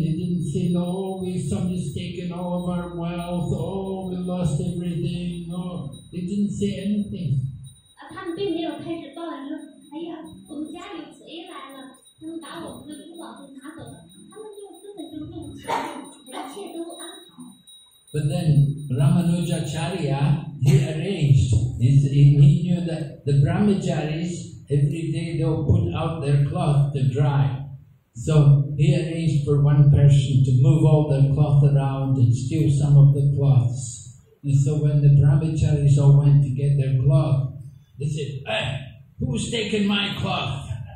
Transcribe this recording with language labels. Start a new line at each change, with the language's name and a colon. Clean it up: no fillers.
English: They didn't say, "No, we've mistaken all of our wealth. Oh, we lost everything." No, they didn't say anything.
Chinese: 他们并没有开始抱怨说，哎呀，我们家里贼来了，他们把我们的珠宝都拿走了，他们就根本就不用钱，一切都安好。
English: But then Ramanujacharya, he arranged. He knew that the brahmacharis, every day they'll put out their cloth to dry. So he arranged for one person to move all their cloth around and steal some of the cloths. And so when the brahmacharis all went to get their cloth, they said, "Hey, who's taking my cloth?"